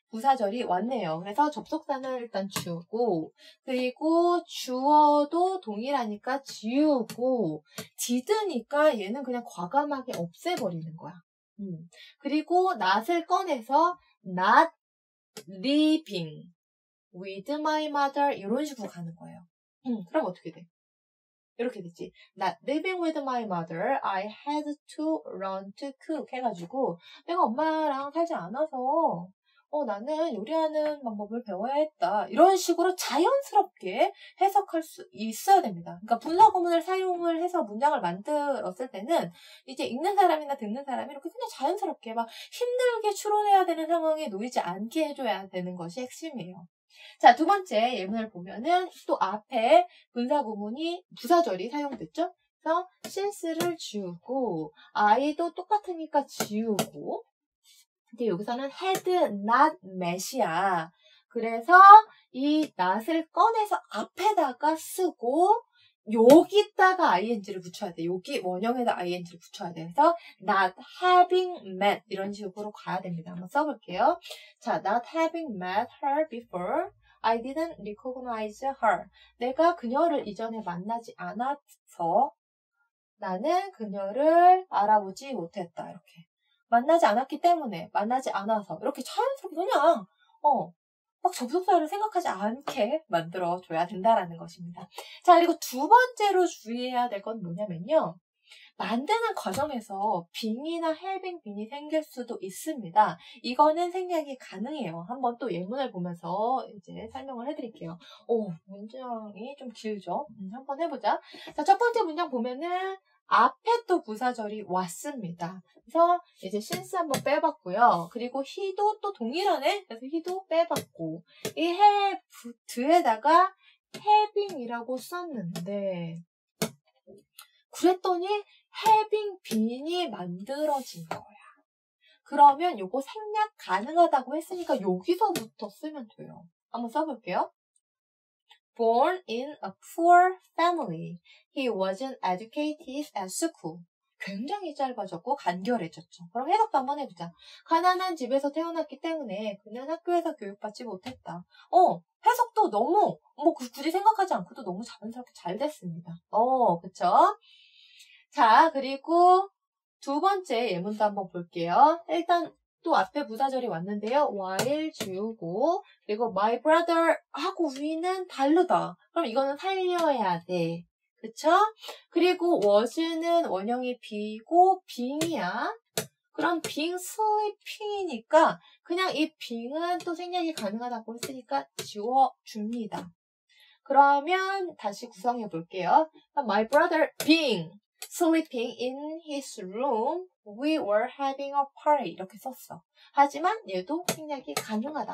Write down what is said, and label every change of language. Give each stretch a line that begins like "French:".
Korean: 부사절이 왔네요. 그래서 접속사는 일단 주고, 그리고 주어도 동일하니까 지우고, 디드니까 얘는 그냥 과감하게 없애버리는 거야. 그리고 not을 꺼내서
English: not living with my mother
Korean: 이런 식으로 가는 거예요. 그럼 어떻게 돼? 이렇게 됐지.
English: Not living with my mother, I had to run to cook
Korean: 해가지고 내가 엄마랑 살지 않아서 나는 요리하는 방법을 배워야 했다. 이런 식으로 자연스럽게 해석할 수 있어야 됩니다. 그러니까 분사구문을 사용을 해서 문장을 만들었을 때는 이제 읽는 사람이나 듣는 사람이 이렇게 그냥 자연스럽게 막 힘들게 추론해야 되는 상황에 놓이지 않게 해줘야 되는 것이 핵심이에요. 자, 두 번째 예문을 보면은 또 앞에 분사구문이 부사절이 사용됐죠? 그래서 since를 지우고 I도 똑같으니까 지우고 근데 여기서는 had not met이야. 그래서 이 not을 꺼내서 앞에다가 쓰고 여기다가 ing를 붙여야 돼. 여기 원형에다 ing를 붙여야 돼. 그래서
English: not having met
Korean: 이런 식으로 가야 됩니다. 한번 써볼게요.
English: 자, not having met her before, I didn't recognize her.
Korean: 내가 그녀를 이전에 만나지 않아서 나는 그녀를 알아보지 못했다. 이렇게. 만나지 않았기 때문에, 만나지 않아서 이렇게 자연스럽게 그냥 막 접속사를 생각하지 않게 만들어줘야 된다라는 것입니다. 자, 그리고 두 번째로 주의해야 될 건 뭐냐면요. 만드는 과정에서 being이나 having been이 생길 수도 있습니다. 이거는 생략이 가능해요. 한번 또 예문을 보면서 이제 설명을 해드릴게요. 오, 문장이 좀 길죠? 한번 해보자. 자, 첫 번째 문장 보면은 앞에 또 부사절이 왔습니다. 그래서 이제 since 한번 빼봤고요. 그리고 he도 또 동일하네. 그래서 he도 빼봤고 이 have에다가 having이라고 썼는데 그랬더니 having been이 만들어진 거야. 그러면 이거 생략 가능하다고 했으니까 여기서부터 쓰면 돼요. 한번 써볼게요.
English: Born in a poor family, he wasn't educated at school.
Korean: 굉장히 짧아졌고 간결해졌죠. 그럼 해석도 한번 해보자. 가난한 집에서 태어났기 때문에 그는 학교에서 교육받지 못했다. 해석도 너무 뭐 굳이 생각하지 않고도 너무 자연스럽게 잘 됐습니다. 그쵸? 자, 그리고 두 번째 예문도 한번 볼게요. 일단 또 앞에 부사절이 왔는데요. while 지우고 그리고 my brother 하고 we는 다르다. 그럼 이거는 살려야 돼. 그쵸? 그리고 was는 원형이 be고 being이야. 그럼 being sleeping이니까 그냥 이 being은 또 생략이 가능하다고 했으니까 지워줍니다. 그러면 다시 구성해 볼게요.
English: my brother being sleeping in his room, we were having a party.
Korean: 이렇게 썼어. 하지만 얘도 생략이 가능하다.